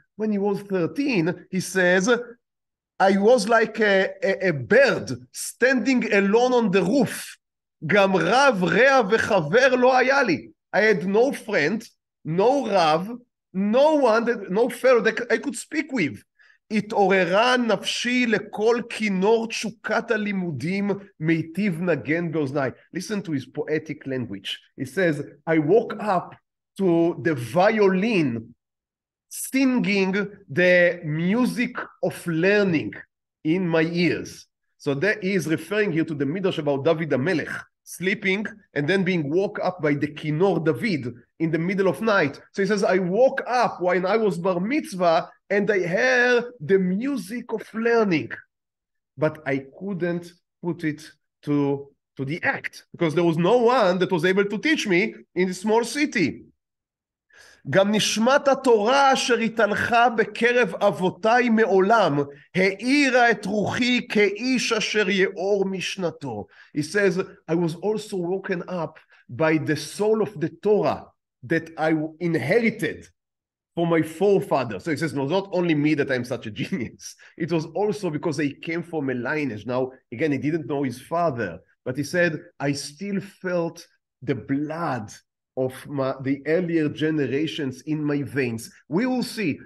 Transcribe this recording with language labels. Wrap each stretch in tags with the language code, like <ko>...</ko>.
<en>When he was 13, he says, I was like a bird standing alone on the roof.</en> <he>גם רב, רב וחבר לא היה לי.</he> <en>I had no friend, no רב, no one, that, no fellow that I could speak with.</en> <he>התעוררה נפשי לכל כינור תשוקת הלימודים מיטיב נגן באוזניי.</he> <en>Listen to his poetic language. He says, I woke up to the violin singing the music of learning in my ears. So that he is referring here to the midrash about David HaMelech sleeping and then being woke up by the kinor David in the middle of night. So he says, I woke up when I was bar mitzvah and I heard the music of learning, but I couldn't put it to the act because there was no one that was able to teach me in a small city.</en> <he>גם נשמת התורה אשר התהלכה בקרב אבותיי מעולם העירה את רוחי כאיש אשר יאור משנתו.</he> <en>He says, I was also woken up by the soul of the Torah that I inherited from my forefather. So he says, no, it's not only me that I'm such a genius. It was also because I came from a lineage. Now, again, he didn't know his father, but he said, I still felt the blood of the earlier generations in my veins. We will see.</en>